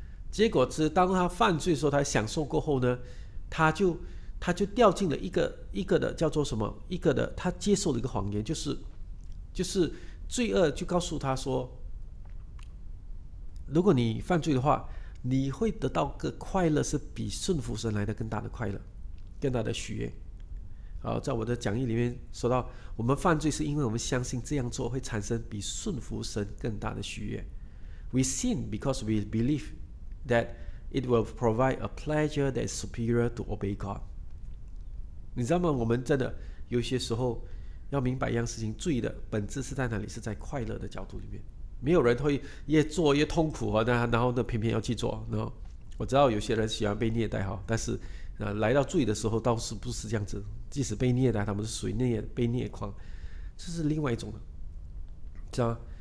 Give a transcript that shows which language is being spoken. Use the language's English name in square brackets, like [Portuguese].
[Chinese] 结果是当他犯罪的时候他享受过后呢，他就掉进了一个的叫做什么，一个的他接受了一个谎言，就是罪恶就告诉他说，如果你犯罪的话，你会得到个快乐是比顺服神来的更大的快乐，更大的喜悦。好，在我的讲义里面说到，我们犯罪是因为我们相信这样做会产生比顺服神更大的喜悦。 [English] We sin because we believe that it will provide a pleasure that is superior to obey God。 [Chinese] 你知道吗？我们真的有些时候要明白一样事情，罪的本质是在哪里？是在快乐的角度里面。没有人会越做越痛苦，然后呢偏偏要去做。然后我知道有些人喜欢被虐待，但是来到罪的时候倒是不是这样子，即使被虐待他们是属于被虐狂，这是另外一种的，知道吗？